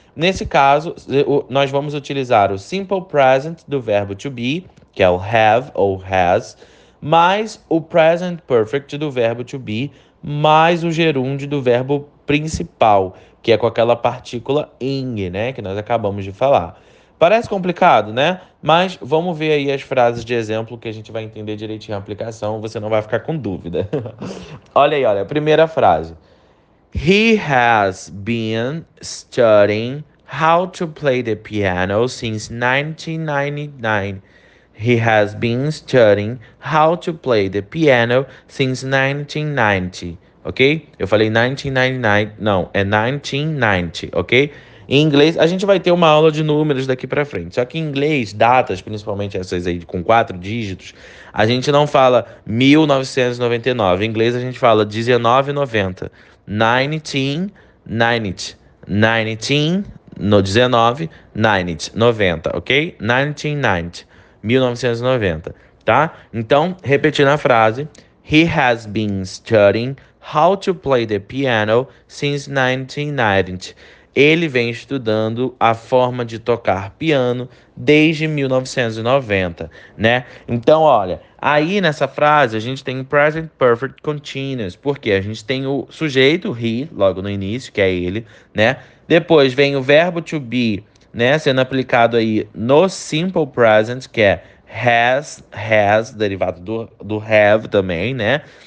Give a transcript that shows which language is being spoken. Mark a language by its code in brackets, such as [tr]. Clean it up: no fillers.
[pt] Nesse caso, nós vamos utilizar o simple present do verbo to be, que é o have ou has, mais o present perfect do verbo to be, mais o gerúndio do verbo principal, que é com aquela partícula ing, né, que nós acabamos de falar. Parece complicado, né? Mas vamos ver aí as frases de exemplo que a gente vai entender direitinho a aplicação, você não vai ficar com dúvida. Olha aí, olha, a primeira frase. [en] He has been studying how to play the piano since 1999. He has been studying how to play the piano since 1990. [pt] Ok? Eu falei 1999. Não, é 1990. Ok? Em inglês, a gente vai ter uma aula de números daqui para frente. Só que em inglês, datas, principalmente essas aí com quatro dígitos, a gente não fala 1999. Em inglês, a gente fala 1990. 1990. 19. No 19, 90, ok? 1990, 1990, tá? Então, repetindo a frase, [en] He has been studying how to play the piano since 1990. [pt] Ele vem estudando a forma de tocar piano desde 1990, né? Então, olha, aí nessa frase a gente tem present perfect continuous, porque a gente tem o sujeito, he, logo no início, que é ele, né? Depois vem o verbo to be, né, sendo aplicado aí no simple present, que é has, derivado do have também, né?